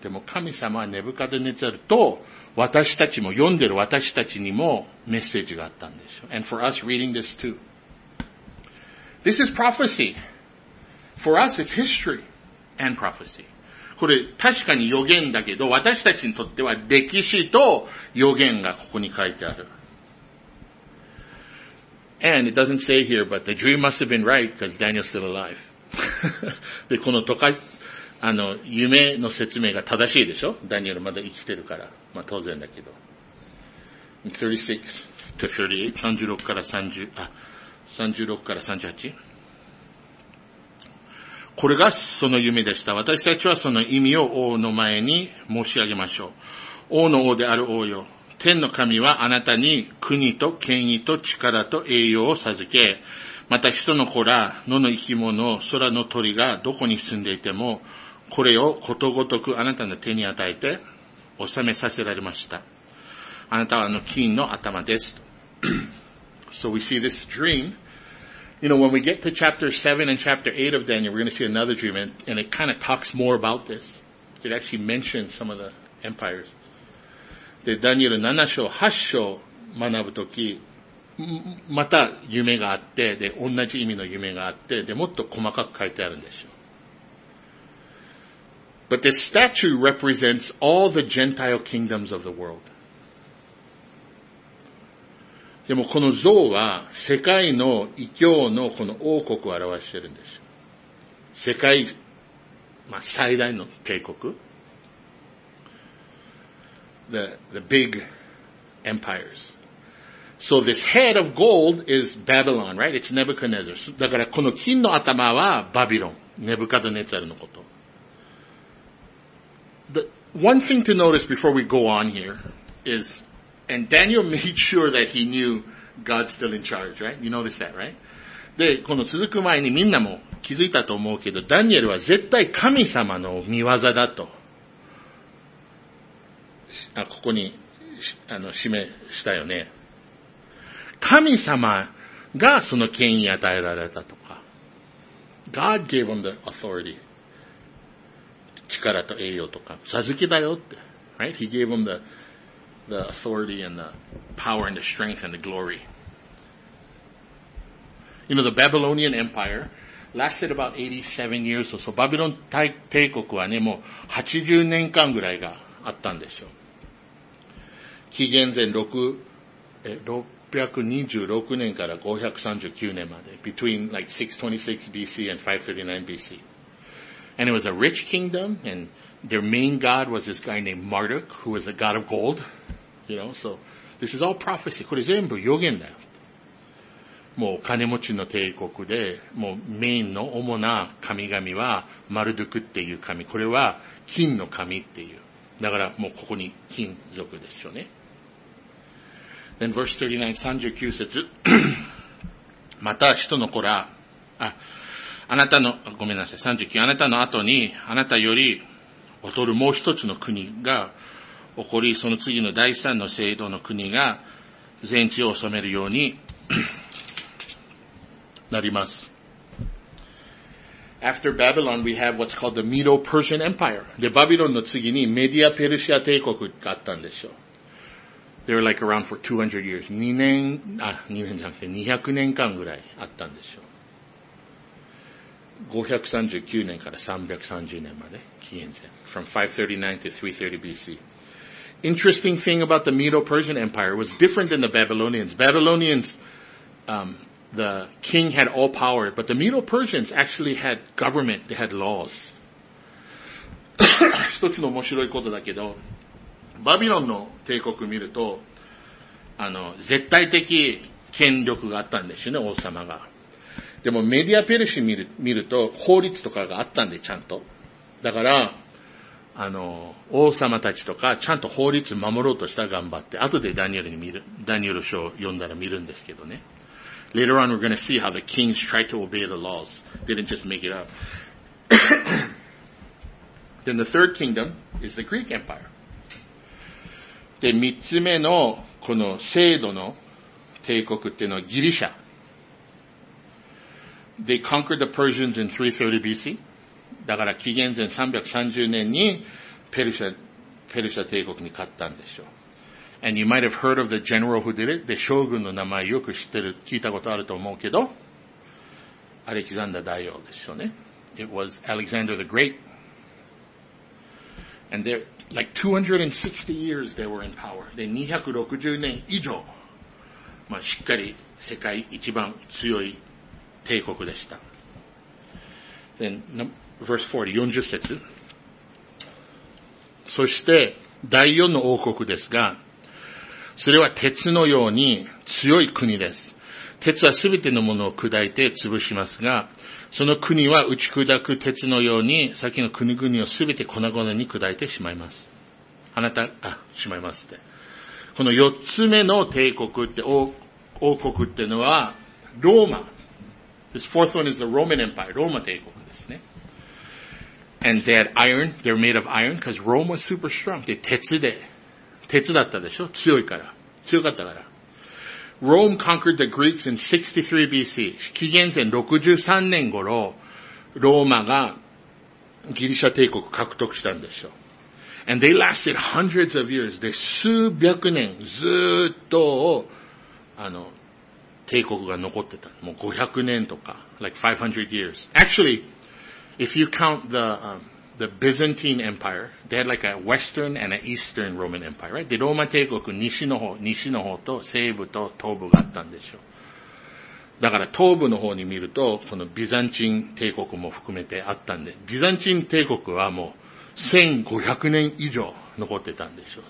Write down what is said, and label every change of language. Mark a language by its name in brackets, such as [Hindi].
[Japanese] でも神様はネブカドネザルと私たちも読んでる私たちにもメッセージがあったんでしょ。 [English] And for us reading this too. This is prophecy. For us it's history and prophecy. [Japanese] これ確かに予言だけど私たちにとっては歴史と予言がここに書いてある。 [English] And it doesn't say here, but the dream must have been right because Daniel's still alive. [Japanese] で、このとか、あの、夢の説明が正しいでしょ? ダニエルまだ生きてるから。まあ当然だけど。36から38。これがその夢でした。私たちはその意味を王の前に申し上げましょう。王の王である王よ。天の神はあなたに国と権威と力と栄養を授け、また人の子ら、野の生き物、空の鳥がどこに住んでいても、これをことごとくあなたの手に与えて、治めさせられました。あなたはあの金の頭です。 [English] So we see this dream. You know, when we get to chapter 7 and chapter 8 of Daniel, we're going to see another dream, and it kind of talks more about this. It actually mentions some of the empires. [Japanese] で、ダニエル7章、8章学ぶとき、また夢があって、で、同じ意味の夢があって、で、もっと細かく書いてあるんでしょう。 [English] But this statue represents all the Gentile kingdoms of the world. [Japanese] でもこの像は、世界の異教のこの王国を表してるんですよ。世界、まあ、最大の帝国。 [English] The big empires. So this head of gold is Babylon, right? It's Nebuchadnezzar. [Japanese] だからこの金の頭はバビロン。ネブカドネツァルのこと。 [English] The one thing to notice before we go on here is, and Daniel made sure that he knew God's still in charge, right? You notice that, right? [Japanese] で、この続く前にみんなも気づいたと思うけど、ダニエルは絶対神様の見業だと。あ、ここに、あの、示したよね。神様がその権威与えられたとか。 [English] God gave him the authority. [Japanese] 力と栄養とか。授けだよって。 [English] Right? He gave him the authority and the power and the strength and the glory. You know, the Babylonian Empire lasted about 87 years or so. [Japanese] バビロン帝国はね、もう80年間ぐらいがあったんでしょう。紀元前626年から539年まで。 [English] Between like 626 BC and 539 BC. And it was a rich kingdom, and their main god was this guy named Marduk, who was a god of gold. You know, so this is all prophecy. [Japanese] これ全部予言だよ。もう金持ちの帝国で、もうメインの主な神々はマルドゥクっていう神。これは金の神っていう。だからもうここに金属でしょうね。 [English] Then verse 39, [Japanese] 39節。また人の子ら、あなたの、ごめんなさい、39、あなたの後に、あなたより劣るもう一つの国が起こり、その次の第三の聖堂の国が全地を治めるようになります。 [English] After Babylon, we have what's called the Medo-Persian Empire. [Japanese] で、バビロンの次にメディア・ペルシア帝国があったんでしょう。 [English] They were like around for 200 years. [Japanese] 200年間ぐらいあったんでしょう。 539年から330年まで、紀元前。 [English] From 539 to 330 BC. Interesting thing about the Medo-Persian Empire was different than the Babylonians. Babylonians, the king had all power, but the Medo-Persians actually had government, they had laws. [Japanese] 一つの面白いことだけど、バビロンの帝国を見ると、あの、絶対的権力があったんですよね、王様が。でもメディアペルシ見ると、法律とかがあったんで、ちゃんと。だから、王様たちとか、ちゃんと法律守ろうとした頑張って、後でダニエル書を読んだら見るんですけどね。 [English] Later on we're gonna see how the kings tried to obey the laws. They didn't just make it up. Then the third kingdom is the Greek Empire. [Japanese] で、三つ目のこの制度の帝国っていうのはギリシャ。 [English] They conquered the Persians in 330 BC. [Japanese] だから紀元前330年にペルシャ帝国に勝ったんでしょう。 [English] And you might have heard of the general who did it. [Japanese] で、将軍の名前よく知ってる、聞いたことあると思うけど、アレキサンダー大王でしょうね。 [English] It was Alexander the Great. And they're, like 260 years they were in power. [Japanese] で、260年以上、まあ、しっかり世界一番強い帝国でした。 [English] Then, verse 40, [Japanese] 40節。そして、第四の王国ですが、それは鉄のように強い国です。鉄はすべてのものを砕いて潰しますが、その国は打ち砕く鉄のように、先の国々をすべて粉々に砕いてしまいます。しまいますって。この四つ目の帝国って、王国ってのは、ローマ。 [English] This fourth one is the Roman Empire, [Japanese] ローマ帝国ですね。 [English] And they had iron, they're made of iron, because Rome was super strong. [Japanese] で、鉄だったでしょ？強いから。強かったから。 [English] Rome conquered the Greeks in 63 BC. [Japanese] 紀元前63年頃、ローマがギリシャ帝国獲得したんでしょ。 [English] And they lasted hundreds of years. で、 [Japanese] 数百年ずっと、帝国が残ってた。もう500年とか。 [English] Like 500 years. Actually, if you count the Byzantine Empire, they had like a Western and an Eastern Roman Empire, right? [Japanese] で、ローマ帝国、西の方と西部と東部があったんでしょう。だから東部の方に見ると、このビザンチン帝国も含めてあったんで、ビザンチン帝国はもう1500年以上残ってたんでしょう。